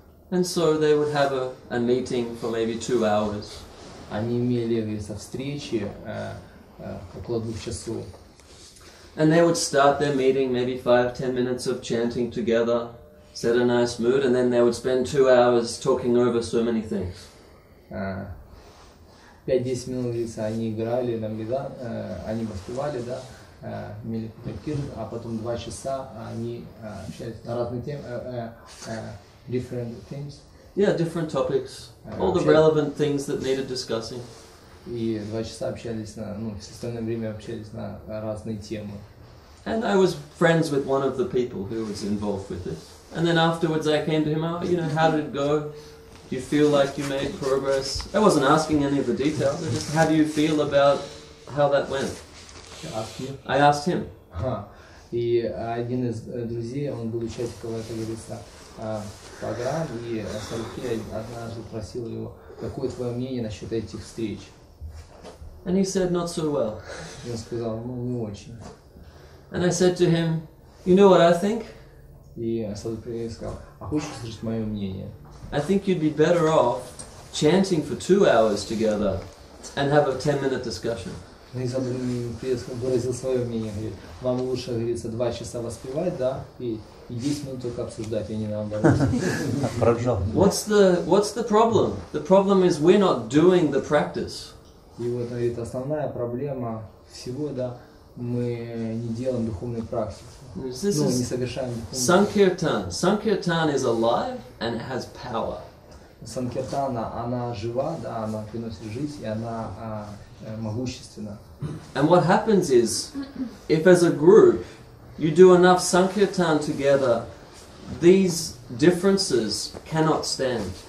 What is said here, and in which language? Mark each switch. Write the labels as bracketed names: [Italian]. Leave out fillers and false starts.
[English] And so they would have a meeting for maybe 2 hours. [Russian] Они имели, говорится, встречи около 2 часов. [English] And they would start their meeting, maybe 5-10 minutes of chanting together, set a nice mood, and then they would spend 2 hours talking over so many things. [Russian] 5-10 minutes, они играли на медах, они воспевали, да, имели какие-то, а потом 2 часа они общались на разные темы, [English] different things. Yeah, different topics, all the relevant things that needed discussing. [Russian] И 2 часа общались на, ну, все остальное время общались на разные темы. [English] And I was friends with one of the people who was involved with this. And then afterwards I came to him, oh, you know, how did it go? Do you feel like you made progress? I wasn't asking any of the details, I just, how do you feel about how that went? I asked him. [Russian] И один из друзей, он был участником этого программы, и Асалхи однажды спросил его, какое твое мнение насчет этих встреч? [English] And he said, not so well. [Russian] Я сказал, ну, не очень. [English] And I said to him, you know what I think? [Russian] И Садхгуру сказал, а хочешь услышать мое мнение? [English] I think you'd be better off chanting for 2 hours together and have a 10-minute discussion. [Russian] И Садхгуру выразил свое мнение, говорит, вам лучше, говорится, 2 часа воспевать, да, и 10 минут только обсуждать, я не наоборот. [English] What's the problem? The problem is we're not doing the practice. [Russian] И вот, говорит, основная проблема всего, да, мы не делаем духовную практику. Мы не совершаем духовную. [English] Sankirtan. Sankirtan is alive and it has power. [Russian] Санкиртана, она жива, да, она приносит жизнь, и она могущественна. [English] And what happens is, if as a group you do enough sankirtan together, these differences cannot stand.